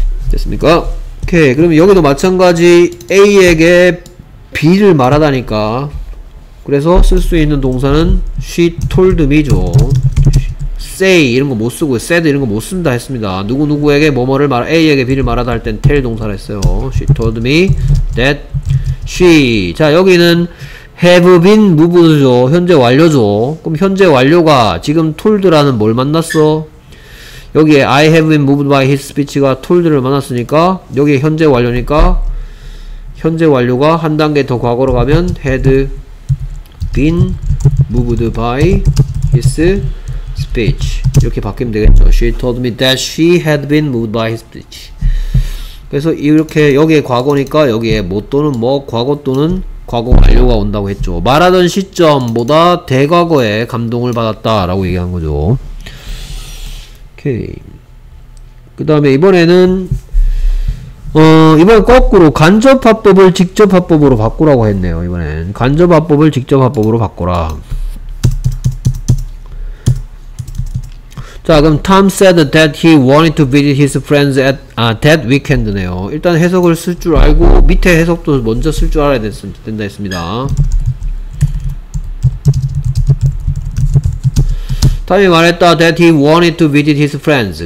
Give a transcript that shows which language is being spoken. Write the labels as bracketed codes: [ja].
[ko] 됐습니까? 오케이. 그럼 여기도 마찬가지 A에게 B를 말하다니까 그래서 쓸 수 있는 동사는 [en] she told me [ko] 죠. say 이런 거 못 쓰고 said 이런 거 못 쓴다 했습니다. 누구누구에게 뭐뭐를 말 A에게 B를 말하다 할 땐 tell 동사를 했어요. [en] she told me that she [ko] 자 여기는 [en] have been moved죠. [ko] 현재 완료죠. 그럼 현재 완료가 지금 told라는 뭘 만났어? 여기에 [en] I have been moved by his speech [ko] 가 told를 만났으니까 여기에 현재 완료니까 현재 완료가 한 단계 더 과거로 가면 [en] had been moved by his speech [ko] 이렇게 바뀌면 되겠죠. [en] She told me that she had been moved by his speech. [ko] 그래서 이렇게 여기에 과거니까 여기에 뭐 또는 뭐 과거 또는 과거 완료가 온다고 했죠. 말하던 시점보다 대과거에 감동을 받았다 라고 얘기한 거죠. 오케이. 그 다음에 이번에는 이번엔 거꾸로 간접화법을 직접화법으로 바꾸라고 했네요. 이번엔 간접화법을 직접화법으로 바꾸라. 자, 그럼 [en] Tom said that he wanted to visit his friends at that weekend네요. [ko] 일단 해석을 쓸 줄 알고 밑에 해석도 먼저 쓸 줄 알아야 된다 했습니다. 다음에 말했다 [en] that he wanted to visit his friends.